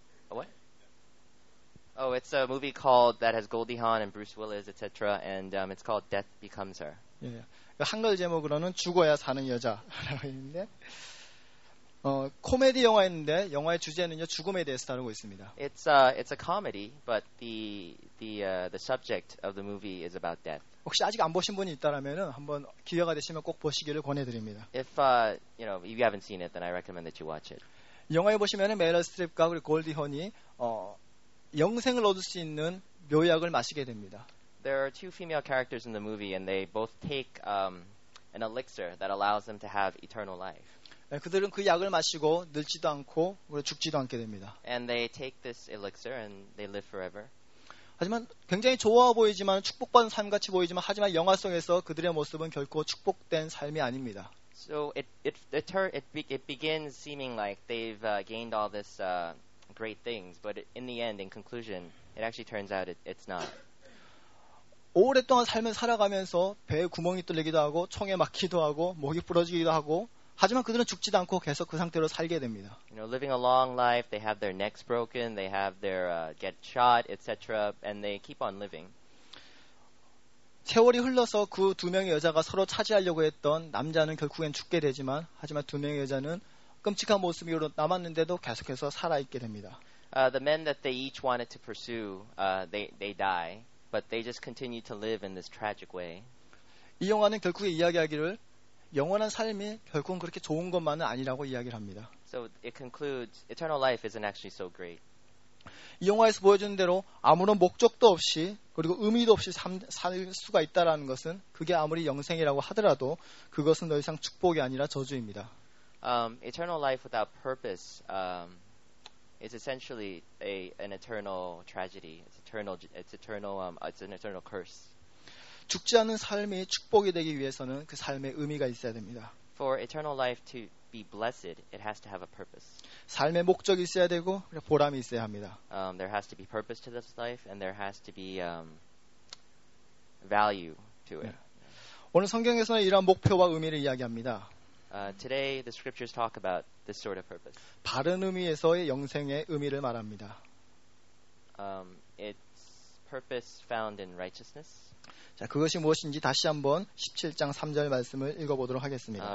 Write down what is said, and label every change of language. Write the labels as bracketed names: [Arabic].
[English] What? Oh, it's a movie called that has Goldie Hawn and Bruce Willis, etc. And it's called Death Becomes Her. Yeah. [Korean] 한글 제목으로는 죽어야 사는 여자라고 있는데, 코미디 영화인데 영화의 주제는요 죽음에 대해서 다루고 있습니다. [English] It's a comedy, but the subject of the movie is about death. [Korean] 혹시 아직 안 보신 분이 있다라면은 한번 기회가 되시면 꼭 보시기를 권해드립니다. [English] If you know if you haven't seen it, then I recommend that you watch it. [Korean] 영화에 보시면은 메릴 스트립과 그리고 골디 혼이 영생을 얻을 수 있는 묘약을 마시게 됩니다. [English] There are two female characters in the movie and they both take an elixir that allows them to have eternal life. [Korean] 네, 그들은 그 약을 마시고 늙지도 않고 죽지도 않게 됩니다. [English] And they take this elixir and they live forever. [Korean] 하지만 굉장히 좋아 보이지만 축복받은 삶 같이 보이지만 하지만 영화 속에서 그들의 모습은 결코 축복된 삶이 아닙니다. [English] So it begins seeming like they've gained all this great things, but in the end, in conclusion, it actually turns out it's not. [Korean] 오랫동안 삶을 살아가면서 배에 구멍이 뚫리기도 하고 총에 맞기도 하고 목이 부러지기도 하고 하지만 그들은 죽지도 않고 계속 그 상태로 살게 됩니다. [English] You know, living a long life, they have their necks broken, they have their get shot, etc., and they keep on living. [Korean] 세월이 흘러서 그 두 명의 여자가 서로 차지하려고 했던 남자는 결국엔 죽게 되지만 하지만 두 명의 여자는 끔찍한 모습으로 남았는데도 계속해서 살아있게 됩니다. [English] The men that they each wanted to pursue, they die, but they just continue to live in this tragic way. [Korean] 이 영화는 결국에 이야기하기를 영원한 삶이 결국은 그렇게 좋은 것만은 아니라고 이야기를 합니다. [English] So it concludes, eternal life isn't actually so great. [Korean] 이 영화에서 보여주는 대로 아무런 목적도 없이 그리고 의미도 없이 살 수가 있다라는 것은 그게 아무리 영생이라고 하더라도 그것은 더 이상 축복이 아니라 저주입니다. [English] Eternal life without purpose is essentially an eternal tragedy. It's an eternal curse. [Korean] 죽지 않은 삶이 축복이 되기 위해서는 그 삶에 의미가 있어야 됩니다. [English] For eternal life to be blessed, it has to have a purpose. [Korean] 삶에 목적이 있어야 되고 보람이 있어야 합니다. [English] There has to be purpose to this life, and there has to be value to it. [Korean] 네. 오늘 성경에서는 이러한 목표와 의미를 이야기합니다. [English] Today the scriptures talk about this sort of purpose. [Korean] 바른 의미에서의 영생의 의미를 말합니다. [English] It's purpose found in righteousness. [Korean] 자, 그것이 무엇인지 다시 한번 17장 3절 말씀을 읽어 보도록 하겠습니다.